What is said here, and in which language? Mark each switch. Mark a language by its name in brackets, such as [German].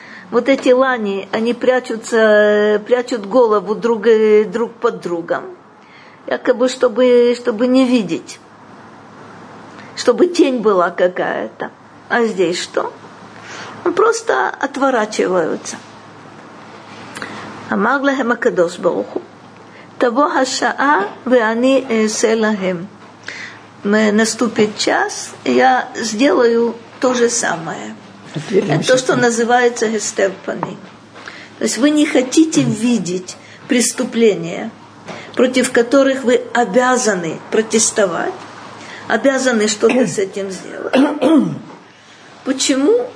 [Russian] Вот эти лани, они прячутся, прячут голову друг под другом, якобы чтобы не видеть, чтобы тень была какая-то. А здесь что? Ну, просто отворачиваются. [Hebrew] אמר להם הקדוש ברוך הוא, תבוא השעה ואני אעשה להם. [Russian] Наступит час, я сделаю то же самое. То, что называется гестер пани. То есть вы не хотите видеть преступления, против которых вы обязаны протестовать, обязаны что-то с этим сделать. Почему?